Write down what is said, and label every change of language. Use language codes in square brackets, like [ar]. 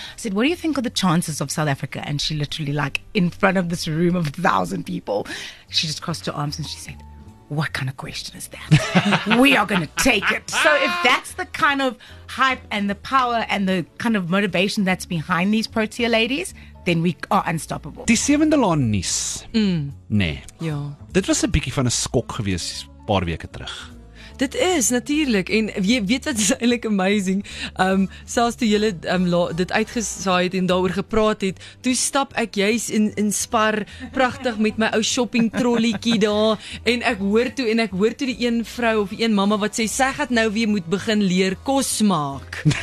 [en] I said, what do you think are the chances of South Africa? And she literally, like, in front of this room of 1,000 people, she just crossed her arms and she said, what kind of question is that? We are going to take it. So if that's the kind of hype and the power and the kind of motivation that's behind these Protea ladies, then we are unstoppable. Die Seven Delon nies. Nee. [af] Ja. Dit was 'n bietjie van 'n skok gewees paar weke terug. Dit is, natuurlik. En weet wat is eintlik amazing? Selfs toe julle dit uitgesaai het en daaroor gepraat het, toe stap ek juist in Spar, prachtig met my ou shopping trolliekie daar, en ek hoor toe die een vrou of een mama wat sê, sy gaat nou weer moet begin leer kos maak.